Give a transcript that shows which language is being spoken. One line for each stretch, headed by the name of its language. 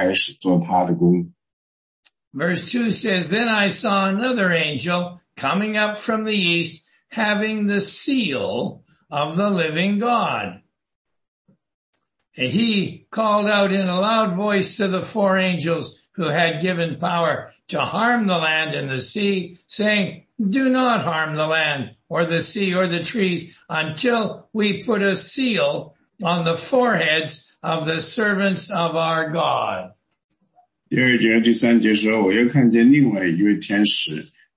Chinese: 这四个天使到底是谁，但是我们知道这四个天使他有这样的权能，当时呢，他们可以暂时的掌管地上的一些风啊，这样的可以让地上呢稍微的平静一下，然后神可以开始做他的工。Verse
English: 2 says, then I saw another angel coming up from the east, having the seal of the living God. He called out in a loud voice to the four angels who had given power to harm the land and the sea, saying, do not harm the land or the sea or the trees until we put a seal on the foreheads of the servants of our God.
Chinese: 第二节第三节说，我又看见另外一位天使。